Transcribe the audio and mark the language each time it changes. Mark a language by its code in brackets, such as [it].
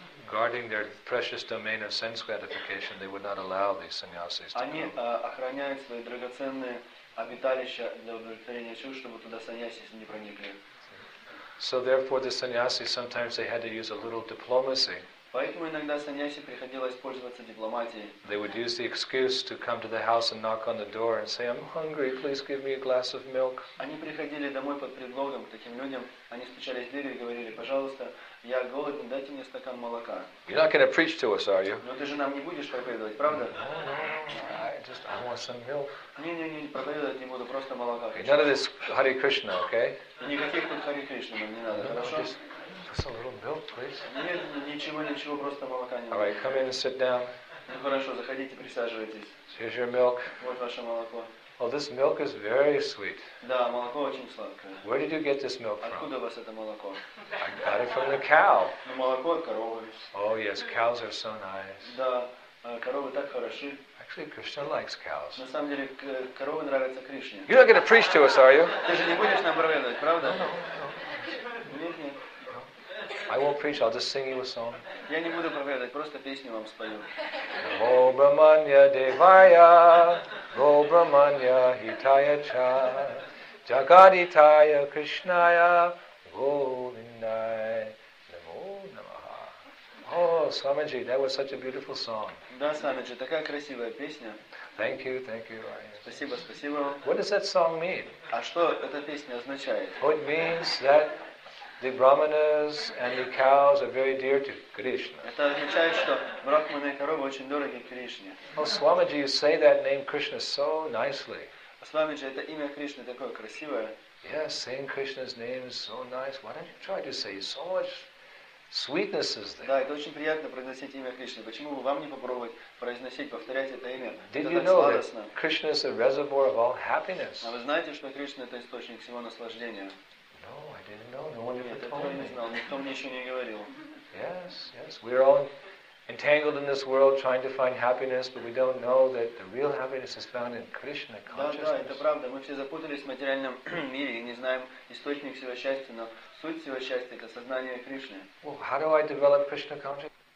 [en] Guarding their precious domain of sense gratification, they would not allow these sannyasis to come. [ru] Они охраняют свои драгоценные обиталища для удовлетворения чувств, чтобы туда сannyasis не проникли. [en] So therefore, the sannyasis sometimes they had to use a little diplomacy. [ru] Поэтому иногда sannyasis приходилось пользоваться дипломатией. [en] They would use the excuse to come to the house and knock on the door and say, "I'm hungry. Please give me a glass of milk." [ru] Они приходили домой под предлогом к таким людям. Они стучались в дверь и говорили, "Пожалуйста, я голоден. Дайте мне стакан молока." [en] You're not going to preach to us, are you? [ru] Но ты же нам не будешь проповедовать, правда? [en] I want some milk. [ru] Не, проповедовать не буду, просто молока. [en] None of this Hare Krishna, okay? [ru] Никаких тут Hare Krishna нам не надо, хорошо? [en] Just a little milk, please. [ru] Нет, ничего, просто молока не надо. [en] All right, come in and sit down. [ru] Ну хорошо, заходите, присаживайтесь. [en] So here's your milk. [ru] Вот ваше молоко. [en] Well, this milk is very sweet. [ru] Да, молоко очень сладкое. [en] Where did you get this milk from? [ru] Откуда у вас это молоко? [en] I got it from the cow. [ru] Ну, молоко от коровы. [en] Oh yes, cows are so nice. [ru] Да, коровы так хороши. [en] I Actually, Krishna likes cows. [ru] На самом деле, коровы нравятся Кришне. [en] You're not going to preach to us, are you? [ru] Ты же не будешь нам проповедовать, правда? [en] I won't preach, I'll just sing you a song. [ru] Я не буду проповедовать, просто песню вам спою. [sa] Namo Brahmanya Devaya, Go Brahmanya Hitaya Cha, Jagaditaya Krishnaya, Govindaya Namo Namaha. [en] Oh, Swamiji, that was such a beautiful song. [ru] Да, Swamiji, такая красивая песня. [en] Thank you, thank you. [ru] Спасибо, спасибо. [en] What does that song mean? [ru] А что эта песня означает? [en] It means that the brahmanas and the cows are very dear to Krishna. [ru] Это означает, что брахманы и коровы очень дороги Кришне. [en] Oh, Swamiji, you say that name Krishna so nicely. [ru] Swamiji, это имя Кришны такое красивое. [en] Yes, saying Krishna's name is so nice. Why don't you try to say so much sweetness is there? [ru] Да, это очень приятно произносить имя Кришны. Почему бы вам не попробовать произносить, повторять это имя? [en] Did you know that Krishna is a reservoir of all happiness? [ru] А вы знаете, что Кришна это источник всего наслаждения? [en] No, I didn't know. No one ever told me. [ru] Никто мне ещё не говорил. [en] Yes, yes. We're all entangled in this world trying to find happiness, but we don't know that the real happiness is found in Krishna consciousness. [ru] Да, это правда. Мы все запутались в материальном мире и не знаем источник всего счастья, но суть всего счастья — это сознание Кришны. [en] Well, how do I develop Krishna consciousness?